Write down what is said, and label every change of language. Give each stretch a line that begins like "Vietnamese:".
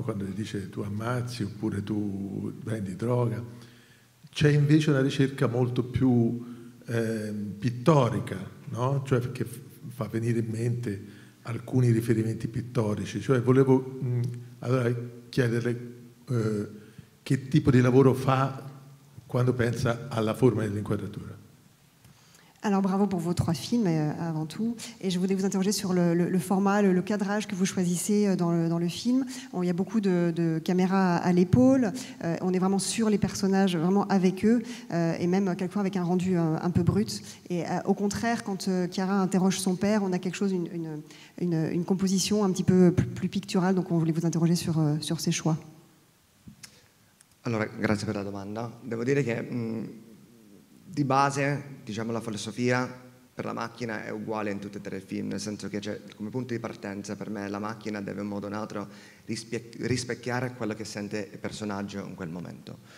Italian: Quando gli dice tu ammazzi oppure tu prendi droga, c'è invece una ricerca molto più pittorica, no? Cioè che fa venire in mente alcuni riferimenti pittorici, cioè volevo allora chiederle che tipo di lavoro fa quando pensa alla forma dell'inquadratura.
French: Alors bravo pour vos trois films avant tout, et je voulais vous interroger sur le format, le cadrage que vous choisissez dans le film. Il y a beaucoup de caméras à l'épaule, on est vraiment sur les personnages, vraiment avec eux, et même quelquefois avec un rendu un peu brut. Et au contraire, quand Chiara interroge son père, on a quelque chose, une composition un petit peu plus picturale, donc on voulait vous interroger sur ces choix.
Italian: Allora, grazie per la domanda. Devo dire che di base, diciamo, la filosofia per la macchina è uguale in tutti e tre i film, nel senso che c'è, come punto di partenza per me la macchina deve in modo o in altro rispecchiare quello che sente il personaggio in quel momento.